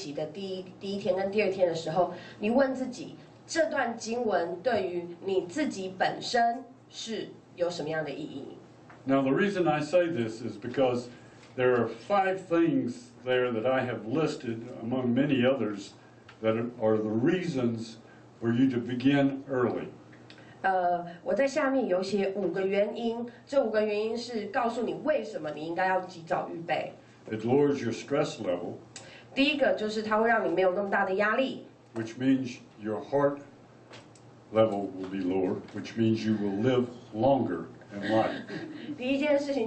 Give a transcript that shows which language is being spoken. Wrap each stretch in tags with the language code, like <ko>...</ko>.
<zh>所以你在接下来的两天或者是这个星期的第一天跟第二天的时候, 你问自己这段经文对于你自己本身是有什么样的意义?</zh> <en>Now the reason I say this is because there are five things there that I have listed among many others that are the reasons for you to begin early.</en> <zh>我在下面有写五个原因，这五个原因是告诉你为什么你应该要及早预备。</zh> <en>It lowers your stress level.</en> <zh>第一个就是它会让你没有那么大的压力。</zh> <en>Which means your heart level will be lower, which means you will live longer in life.</en>